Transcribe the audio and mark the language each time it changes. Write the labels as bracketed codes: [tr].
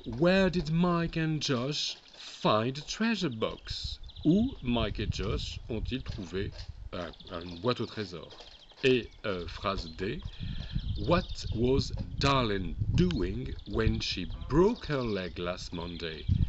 [en] Where did Mike and Josh find a treasure box? [fr] Où Mike et Josh ont-ils trouvé une boîte au trésor? Et phrase D. [en] What was Darlene doing when she broke her leg last Monday?